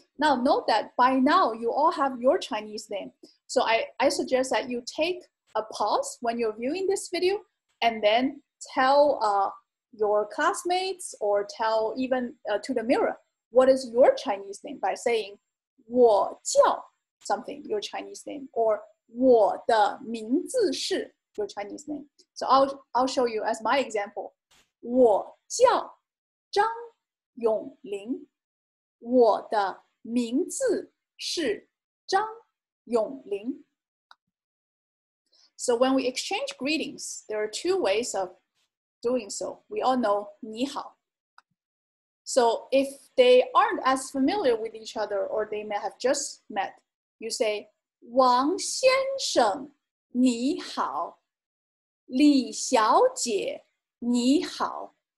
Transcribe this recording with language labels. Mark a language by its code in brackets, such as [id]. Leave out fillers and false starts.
[en] Now note that by now you all have your Chinese name. So I suggest that you take a pause when you're viewing this video and then tell your classmates or tell even to the mirror, what is your Chinese name by saying [zh] 我叫 [en] something, your Chinese name, or [zh] 我的名字是 [en] your Chinese name. So I'll show you as my example. [zh] 我叫张永林，我的名字是张永林。 [en] So when we exchange greetings, there are two ways of doing so. We all know [zh] 你好。 [en] So if they aren't as familiar with each other or they may have just met, you say [zh] 王先生你好，李小姐你好。